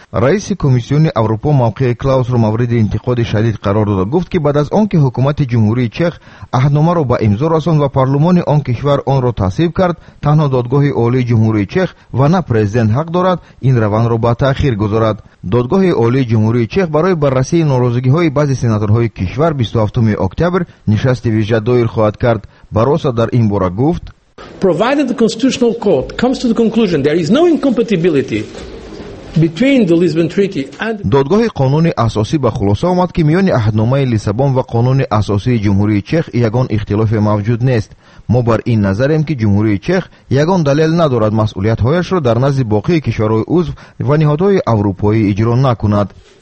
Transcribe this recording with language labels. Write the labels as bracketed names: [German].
[Persian] رئیس کمیسیون اروپا موقع کلاوس را مورد انتقاد شدید قرار داد، گفت که بعد از آنکه حکومت جمهوری چخ عهدنامه را به امضا رساند و پارلمان آن کشور آن را تصویب کرد، تنها دادگاه عالی جمهوری چخ و نه پرزیدنت حق دارد این روند را به تأخیر گذارد. دادگاه عالی جمهوری چخ برای بررسی ناراضگی های بعضی سناتورهای کشور 27 اکتبر نشست ویژه دایر خواهد کرد. باروسا در این باره گفت: [English] Provided the Constitutional Court comes to the conclusion there is no incompatibility between the Lisbon Treaty and [Persian] دادگاه قانون اساسی به خلاصه آمد که میان عهدنامه لیسابون و قانون اساسی جمهوری چخ یگان اختلاف موجود نیست. ما بر این نظریم که جمهوری چخ یگان دلیل ندارد مسئولیت هایش را در نزد باقی کشورهای عضو و نهادهای اروپایی اجرا نکند.